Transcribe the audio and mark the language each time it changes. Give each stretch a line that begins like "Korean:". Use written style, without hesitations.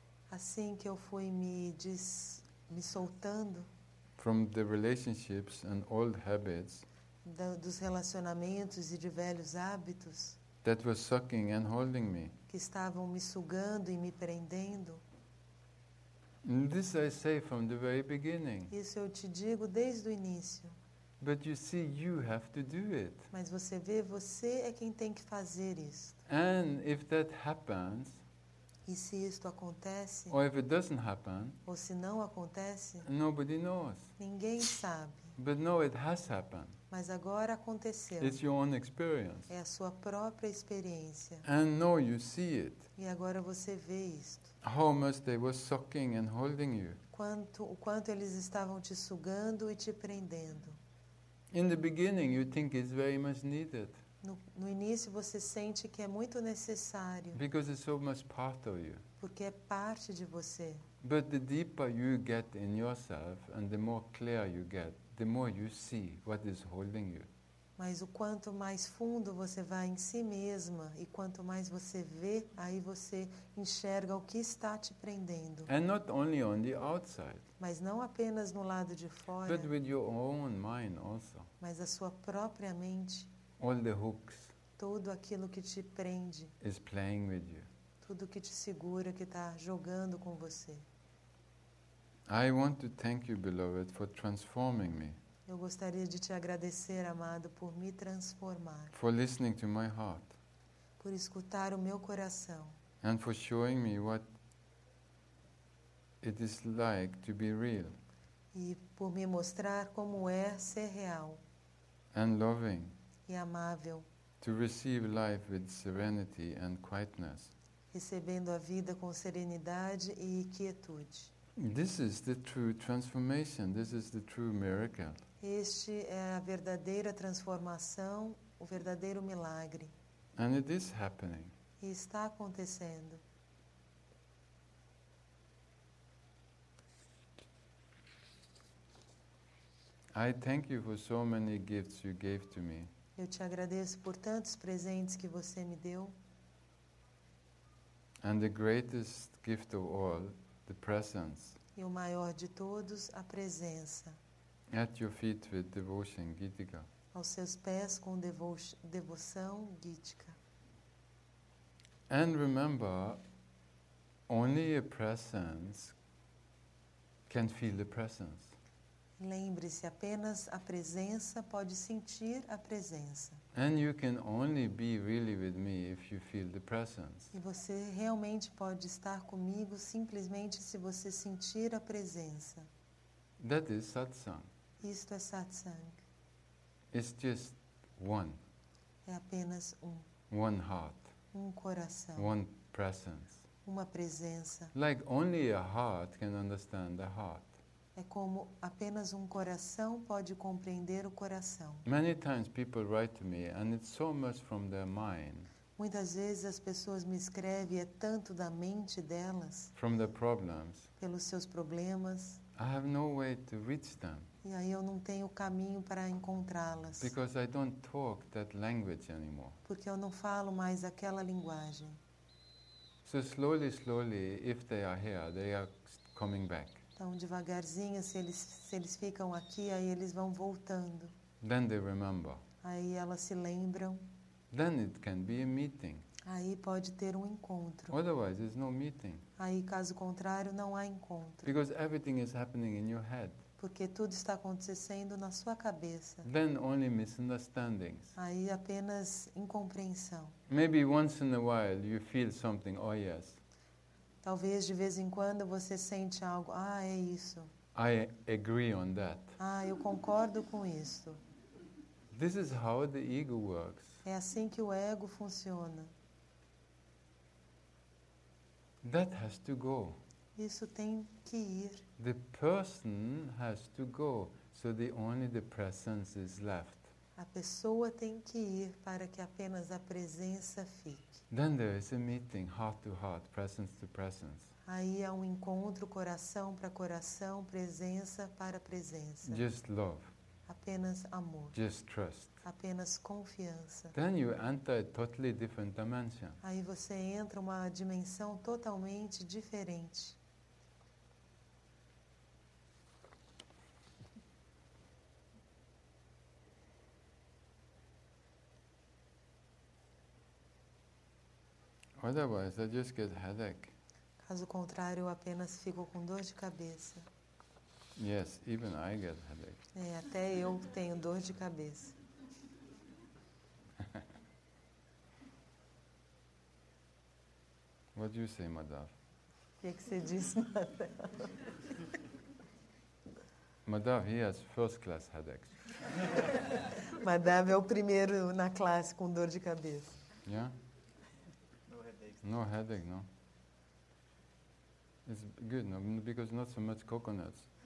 Portuguese: assim que eu fui me soltando
English: from the relationships and old habits,
Portuguese: dos relacionamentos e de velhos hábitos,
English: that was sucking and holding me.
Portuguese: Que estavam me sugando e me prendendo.
English: This I say from the very beginning.
Portuguese: Isso eu te digo desde o início.
English: But you see, you have to do it.
Portuguese: Mas você vê, você é quem tem que fazer isto.
English: And if that happens,
Portuguese: e se isto acontece,
English: or if it doesn't happen,
Portuguese: ou se não acontece,
English: nobody knows.
Portuguese: Ninguém sabe.
English: But no, it has happened.
Portuguese: Mas agora aconteceu.
English: It's your own experience.
Portuguese: É a sua própria experiência.
English: And now you see it.
Portuguese: E agora você vê isto.
English: How much they were sucking and holding you.
Portuguese: O quanto eles estavam te sugando e te prendendo.
English: In the beginning you think it's very much needed.
Portuguese: No início você sente que é muito necessário.
English: Because it's so much part of you.
Portuguese: Porque é parte de você.
English: But the deeper you get in yourself and the more clear you get, the more you see what is holding you.
Portuguese: Mas o quanto mais fundo você vai em si mesma e quanto mais você vê, aí você enxerga o que está te prendendo.
English: And not only on the outside.
Portuguese: Mas não apenas no lado de fora.
English: But with your own mind also.
Portuguese: Mas a sua própria mente.
English: All the hooks.
Portuguese: Tudo aquilo que te prende.
English: Is playing with you.
Portuguese: Tudo que te segura, que está jogando com você.
English: I want to thank you, beloved, for transforming me.
Portuguese: Eu gostaria de te agradecer, amado, por me transformar.
English: For listening to my heart.
Portuguese: Por escutar o meu coração.
English: And for showing me what it is like to be real.
Portuguese: E por me mostrar como é ser real.
English: And loving.
Portuguese: E amável.
English: To receive life with serenity and quietness.
Portuguese: Recebendo a vida com serenidade e quietude.
English: This is the true transformation. This is the true miracle.
Portuguese: Este é a verdadeira transformação, o verdadeiro milagre.
English: And it is happening.
Portuguese: E está acontecendo.
English: I thank you for so many gifts you gave to me.
Portuguese: Eu te agradeço por tantos presentes que você me deu.
English: And the greatest gift of all, the presence.
Portuguese: E o maior de todos, a presença.
English: At your feet with devotion, Gitika.
Portuguese: Aos seus pés com devoção, Gitika.
English: And remember, only a presence can feel the presence.
Portuguese: Lembre-se, apenas a presença pode sentir a presença.
English: And you can only be really with me if you feel the presence.
Portuguese: E você realmente pode estar comigo simplesmente se você sentir a presença.
English: That is satsang.
Portuguese: Isto é satsang.
English: It's just one.
Portuguese: É apenas um.
English: One heart.
Portuguese: Um coração.
English: One presence.
Portuguese: Uma presença.
English: Like only a heart can understand the heart.
Portuguese: É como apenas um coração pode compreender o coração.
English: Many times people write to me and it's so much from their mind.
Portuguese: Muitas vezes as pessoas me escrevem, é tanto da mente delas.
English: From their problems.
Portuguese: Pelos seus problemas.
English: I have no way to reach them.
Portuguese: E aí eu não tenho caminho para encontrá-las.
English: Because I don't talk that language anymore.
Portuguese: Porque eu não falo mais aquela linguagem.
English: So slowly, slowly, if they are here, they are coming back.
Portuguese: Então, devagarzinho, se eles ficam aqui, aí eles vão voltando.
English: Then they remember.
Portuguese: Aí elas se lembram.
English: Then it can be a meeting.
Portuguese: Aí pode ter um encontro.
English: Otherwise, there's no meeting.
Portuguese: Aí, caso contrário, não há encontro.
English: Because everything is happening in your head.
Portuguese: Porque tudo está acontecendo na sua cabeça.
English: Then only misunderstandings.
Portuguese: Aí apenas incompreensão.
English: Maybe once in a while you feel something, oh yes.
Portuguese: Talvez de vez em quando você sente algo. Ah, é isso.
English: I agree on that.
Portuguese: Ah, eu concordo com isso.
English: This is how the ego works.
Portuguese: É assim que o ego funciona.
English: That has to go.
Portuguese: Isso tem que ir.
English: The person has to go, so the only the presence is left.
Portuguese: A pessoa tem que ir para que apenas a presença fique.
English: Then there is a meeting, heart to heart, presence to presence.
Portuguese: Aí há um encontro coração para coração, presença para presença.
English: Just love.
Portuguese: Apenas amor.
English: Just trust.
Portuguese: Apenas confiança.
English: Then you enter a totally different dimension.
Portuguese: Aí você entra uma dimensão totalmente diferente.
English: Otherwise, I just get headache.
Portuguese: Caso contrário, eu apenas fico com dor de cabeça.
English: Yes, even I get headache.
Portuguese: É, até eu tenho dor de cabeça.
English: What do you say, Madhav?
Portuguese: Que você diz, Madhav?
English: Madhav, he has first class headaches.
Portuguese: Madhav é o primeiro na classe com dor de cabeça.
English: Yeah? No headache, no. It's good, no, because not so much coconuts.